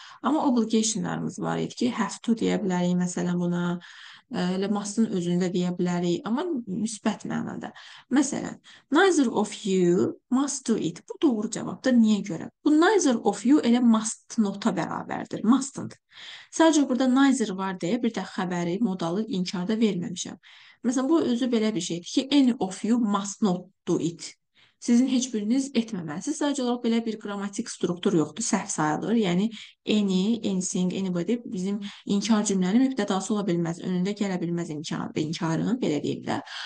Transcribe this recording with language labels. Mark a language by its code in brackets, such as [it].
[az] Amma obligationlarımız var idi ki, have to deyə bilərik, məsələn buna, elə must-ın özündə deyə bilərik, amma müsbət mənada. Məsələn, [en] neither of you must do it. [az] Bu doğru cavabdır. Niyə görə? Bu [en] neither of you [az] elə must not-a bərabərdir. Must-ın. Sadəcə burada neither var deyə bir də xəbəri, modalı inkarda verməmişəm. Məsələn, bu özü belə bir şeydir ki, [en] any of you must not do it. [az] Sizin heç biriniz etməməlisiniz. Sadəcə olaraq belə bir qrammatik struktur yoxdur. Səhv sayılır. Yəni, anything, anybody bizim inkar cümlənin mübtədası ola bilməz. Önündə gələ bilməz inkarın, belə deyim də.